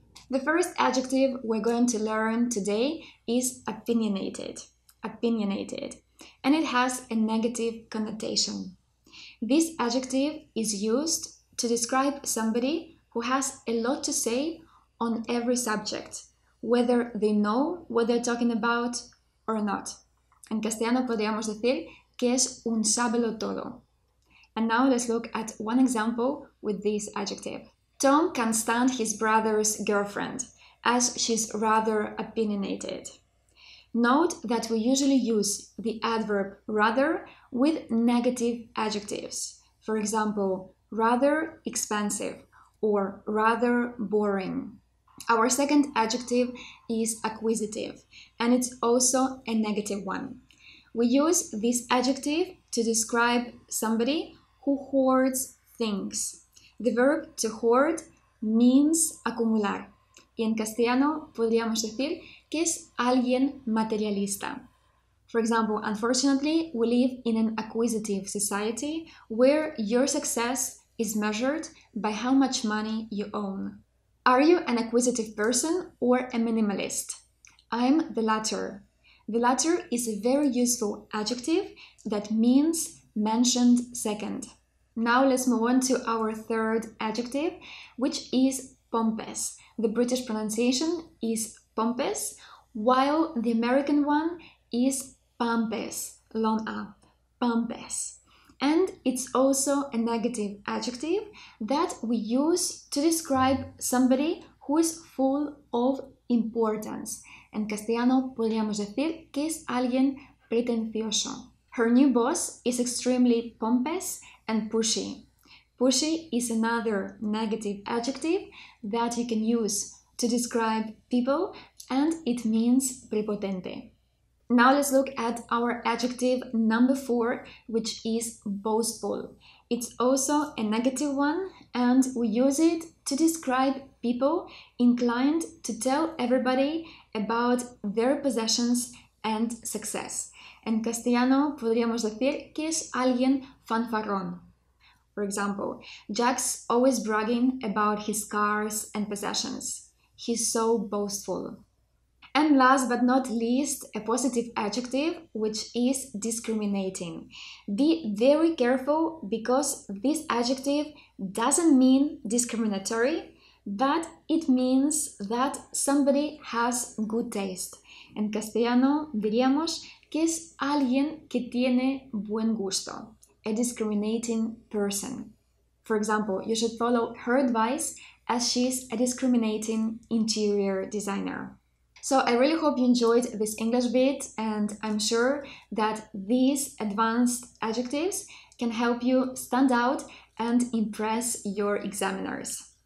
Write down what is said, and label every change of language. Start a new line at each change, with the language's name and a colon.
English: The first adjective we're going to learn today is opinionated. Opinionated. And it has a negative connotation. This adjective is used to describe somebody who has a lot to say on every subject, whether they know what they're talking about or not.
Spanish: En castellano podríamos decir que es un sábelo todo.
English: And now let's look at one example with this adjective. Tom can't stand his brother's girlfriend, as she's rather opinionated. Note that we usually use the adverb rather with negative adjectives. For example, rather expensive or rather boring. Our second adjective is acquisitive, and it's also a negative one. We use this adjective to describe somebody who hoards things. The verb to hoard means acumular.
Spanish: Y en castellano podríamos decir que es alguien materialista.
English: For example, unfortunately, we live in an acquisitive society where your success is measured by how much money you own. Are you an acquisitive person or a minimalist? I'm the latter. The latter is a very useful adjective that means mentioned second. Now let's move on to our third adjective, which is pompous. The British pronunciation is pompous, while the American one is pompous, long A, pompous. And it's also a negative adjective that we use to describe somebody who is full of importance.
Spanish: En castellano podríamos decir que es alguien pretencioso.
English: Her new boss is extremely pompous and pushy. Pushy is another negative adjective that you can use to describe people, and it means prepotente. Now let's look at our adjective number 4, which is boastful. It's also a negative one, and we use it to describe people inclined to tell everybody about their possessions and success.
Spanish: En castellano podríamos decir que es alguien fanfarrón.
English: For example, Jack's always bragging about his cars and possessions. He's so boastful. And last but not least, a positive adjective, which is discriminating. Be very careful, because this adjective doesn't mean discriminatory, but it means that somebody has good taste.
Spanish: En castellano diríamos que es alguien que tiene buen gusto.
English: A discriminating person. For example, you should follow her advice as she's a discriminating interior designer. So I really hope you enjoyed this English bit, and I'm sure that these advanced adjectives can help you stand out and impress your examiners.